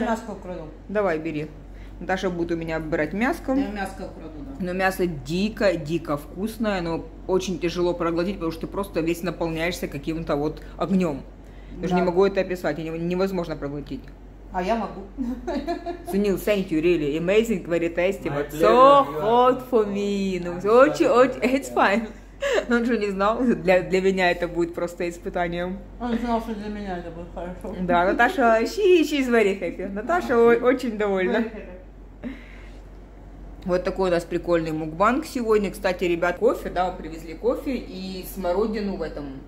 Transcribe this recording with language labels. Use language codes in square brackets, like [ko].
[ru] Я мяско украду. Давай, бери. Наташа будет у меня брать мяско. Я мяско украду, да. Но мясо дико вкусное, но очень тяжело проглотить, потому что ты просто весь наполняешься каким-то вот огнем. Я же не могу это описать, невозможно проглотить. А я могу. [en] Сунил, thank you, really amazing, very tasty, but so hot for me. [ru] Очень, [en] it's fine. [ru] Но он же не знал, для меня это будет просто испытанием. Он знал, что для меня это будет хорошо. Да, Наташа, [en] she's very happy. [ru] Наташа очень довольна. Вот такой у нас прикольный мукбанг сегодня. Кстати, ребят, кофе, да, привезли кофе и смородину в этом.